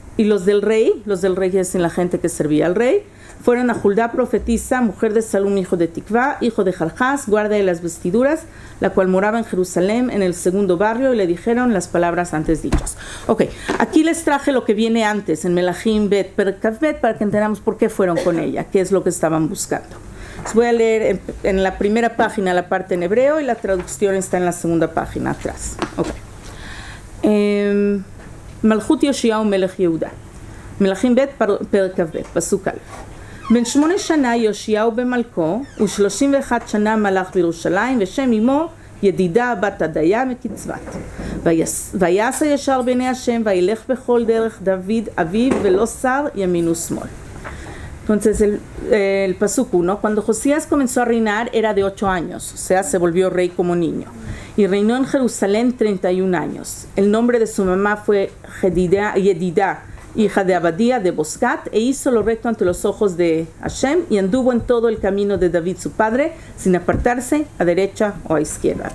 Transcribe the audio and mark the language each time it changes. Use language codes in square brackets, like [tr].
[es] Y los del rey es la gente que servía al rey, fueron a Huldá profetisa, mujer de Salum, hijo de Tikvá, hijo de Jarjás, guarda de las vestiduras, la cual moraba en Jerusalén, en el segundo barrio, y le dijeron las palabras antes dichas. Ok, aquí les traje lo que viene antes, en [he] Melajim Bet, Perkav Bet, [es] para que entendamos por qué fueron con ella, qué es lo que estaban buscando. Les voy a leer en la primera página la parte en hebreo, y la traducción está en la segunda página atrás. Ok. [he] מלכות יושיהו מלך יהודה מלכים ב' פרק ב' פסוק א' בן 8 שנה יושיהו במלכו ו31 שנה מלך בירושלים ושם אמו ידידה בת עדיה מקצבת ויעשה ישר בעיני השם וילך בכל דרך דוד אביו ולא שר ימין ושמאל. [es] Entonces el pasuk 1, cuando Josías comenzó a reinar era de 8 años, o sea, se volvió rey como niño. Y reinó en Jerusalén 31 años. El nombre de su mamá fue Yedidá, hija de Abadía de Boscat, e hizo lo recto ante los ojos de Hashem y anduvo en todo el camino de David su padre, sin apartarse a derecha o a izquierda.